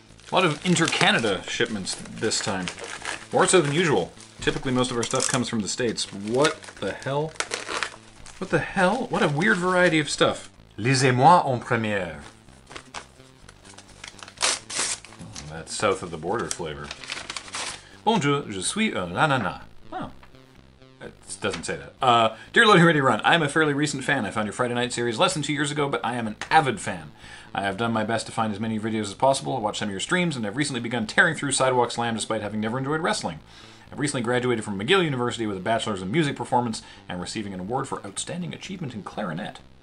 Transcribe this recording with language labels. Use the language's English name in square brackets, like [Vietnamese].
[English] A lot of inter-Canada shipments this time. More so than usual. Typically most of our stuff comes from the States. What the hell? What the hell? What a weird variety of stuff. [French] Lisez-moi en première. [English] Oh, that's south of the border flavor. [French] Bonjour, je suis un lanana. [English] Oh, it doesn't say that. Dear Loading Ready Run, I am a fairly recent fan. I found your Friday night series less than 2 years ago, but I am an avid fan. I have done my best to find as many videos as possible, watch some of your streams, and I've recently begun tearing through Sidewalk Slam despite having never enjoyed wrestling. I've recently graduated from McGill University with a bachelor's in music performance and receiving an award for outstanding achievement in clarinet.